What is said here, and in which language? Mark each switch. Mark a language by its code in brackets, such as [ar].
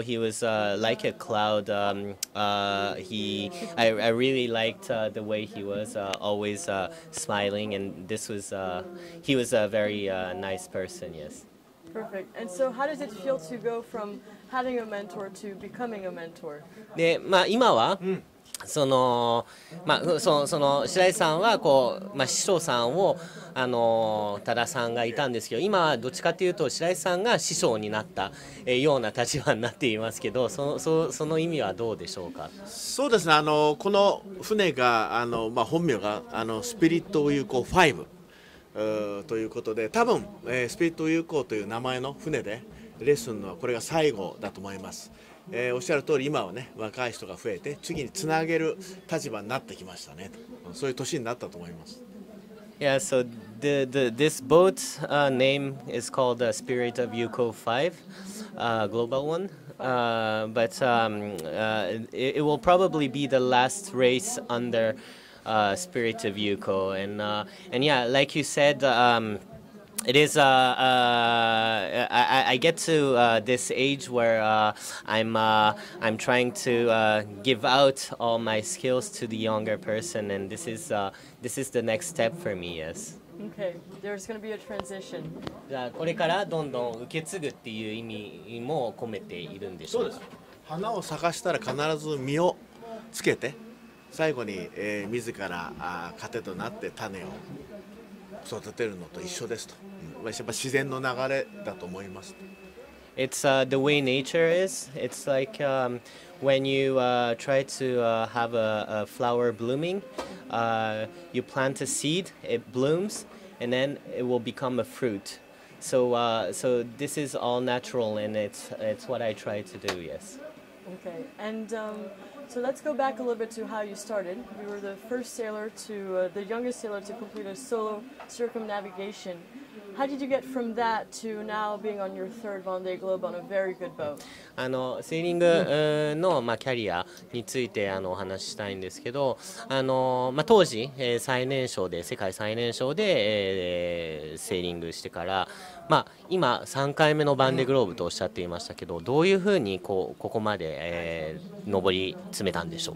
[en] He was like a cloud. I really liked the way he was always smiling, and this was he was a very nice person. Yes. Perfect. And so, how does it feel to go from having a mentor to becoming a mentor? [ja] で、まあ今は。うん、その、まあ、その白井さんはこう、まあ、師匠さんを多田さんがいたんですけど、今はどっちかというと白井さんが師匠になったような立場になっていますけど、その意味はどうでしょうか。そうですね、この船が本名がスピリット・ウユコ5ということで、多分、スピリット・ウユコという名前の船でレッスンのこれが最後だと思います。おっしゃる通り、今はね、若い人が増えて次につなげる立場になってきましたね。そういう年になったと思います。 [en] Yeah, so this boat name is called the Spirit of Yuko 5, Global One. But it will probably be the last race under Spirit of Yuko. And yeah, like you said, it is. I get to this age where I'm trying to give out all my skills to the younger person, and this is the next step for me. Yes. Okay. There's going to be a transition. [ja] じゃあこれからどんどん受け継ぐっていう意味も込めているんでしょうか。そうです。花を咲かしたら必ず実をつけて、最後に、自ら糧となって種を育てるのと一緒ですと。やっぱ自然の流れだと思います。 [en] It's the way nature is. It's like when you try to have a flower blooming, you plant a seed, it blooms, and then it will become a fruit. So this is all natural, and it's what I try to do. Yes. Okay. And so let's go back a little bit to how you started. You were the first sailor to the youngest sailor to complete a solo circumnavigation. How did you get from that to now being on your third Vendée Globe on a very good boat? [ja] あのセーリングの、まあ、キャリアについてあのお話ししたいんですけど、あの、まあ、当時、最年少で世界最年少で、セーリングしてから、まあ、今3回目のバンデグローブとおっしゃっていましたけど、どういうふうに ここまで、上り詰めたんでしょう